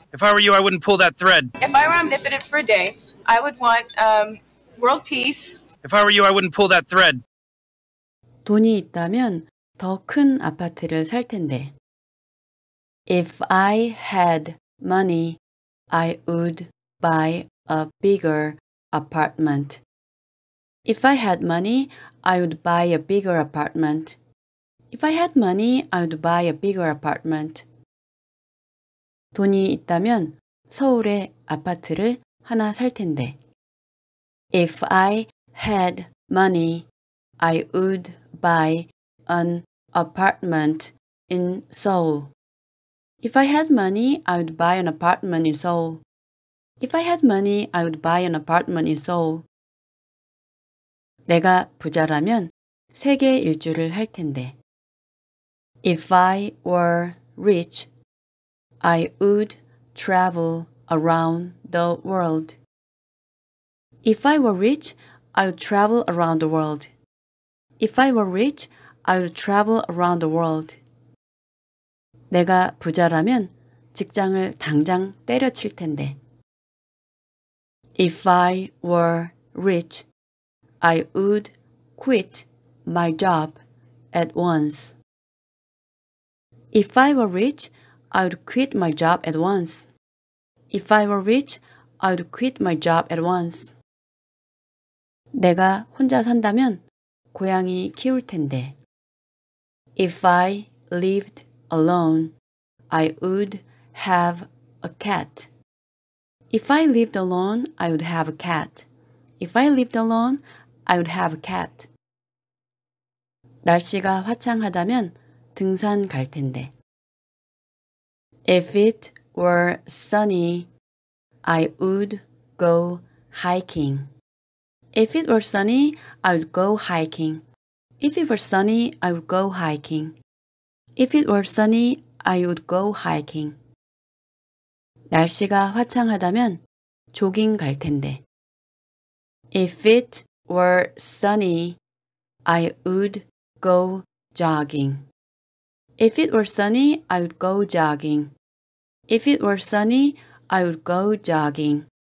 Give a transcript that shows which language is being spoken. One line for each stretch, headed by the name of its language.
English: If I were you, I wouldn't pull that thread. If I were omnipotent for a day, I would want world peace. If I were you, I wouldn't pull that thread.
Korean: 돈이 있다면 더 큰 아파트를 살 텐데.
English: If I had money, I would buy a bigger apartment. If I had money, I would buy a bigger apartment. If I had money, I would buy a bigger apartment.
Korean: 돈이 있다면 서울에 아파트를 하나 살 텐데.
English: If I had money, I would buy an apartment in Seoul. If I had money, I would buy an apartment in Seoul. If I had money, I would buy an apartment in Seoul.
Korean: 내가 부자라면 세계 일주를 할 텐데.
English: If I were rich, I would travel around the world. If I were rich, I would travel around the world. If I were rich, I would travel around the world.
Korean: 내가 부자라면 직장을 당장 때려칠 텐데.
English: If I were rich, I would quit my job at once. If I were rich, I would quit my job at once. If I were rich, I would quit my job at once.
Korean: 내가 혼자 산다면 고양이 키울 텐데.
English: If I lived alone, I would have a cat. If I lived alone, I would have a cat. If I lived alone, I would have a cat.
Korean: 날씨가 화창하다면 등산 갈 텐데.
English: If it were sunny, I would go hiking. If it were sunny, I would go hiking. If it were sunny, I would go hiking. If it were sunny, I would go hiking.
Korean: 날씨가 화창하다면 조깅 갈 텐데.
English: If it were sunny, I would go jogging. If it were sunny, I would go jogging. If it were sunny, I would go jogging.